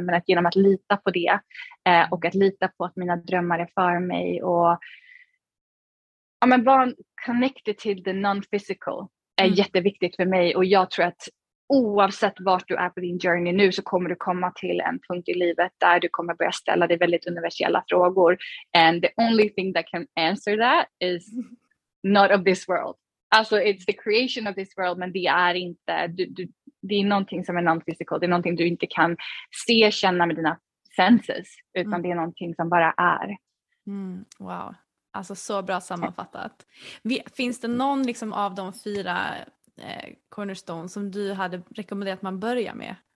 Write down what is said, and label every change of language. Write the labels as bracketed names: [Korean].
[Swedish] Men att genom att lita på det och att lita på att mina drömmar är för mig och vara connected till [English] the non-physical [Swedish] är jätteviktigt för mig. Och jag tror att oavsett vart du är på din journey nu, så kommer du komma till en punkt i livet där du kommer börja ställa dig väldigt universella frågor. [English] And the only thing that can answer that is not of this world. [Swedish] Alltså, [English] it's the creation of this world, [Swedish] men det är inte, det är någonting som är non-physical. Det är någonting du inte kan se, känna med dina senses, utan det är någonting som bara är. Mm, wow, alltså så bra sammanfattat. Finns det någon liksom av de fyra cornerstones som du hade rekommenderat man börja med?